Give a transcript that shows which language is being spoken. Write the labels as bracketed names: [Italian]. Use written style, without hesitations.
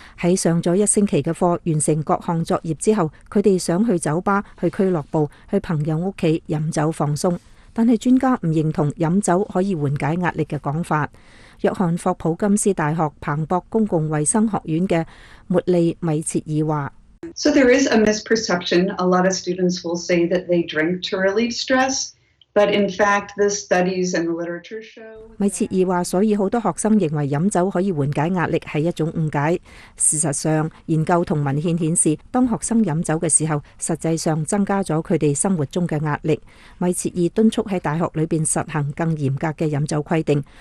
[Cantonese] 喺上咗一星期嘅课，完成各项作业之后，佢哋想去酒吧、去俱乐部、去朋友屋企饮酒放松。但系专家唔认同饮酒可以缓解压力嘅讲法。约翰霍普金斯大学彭博公共卫生学院嘅茉莉米切尔话。 [English] So there is a misperception. A lot of students will say that they drink to relieve stress, but in fact, the studies and the literature show. [Cantonese] 米切尔话，所以好多学生认为饮酒可以缓解压力系一种误解。事实上，研究同文献显示，当学生饮酒嘅时候，实际上增加咗佢哋生活中嘅压力。米切尔敦促喺大学里边实行更严格嘅饮酒规定。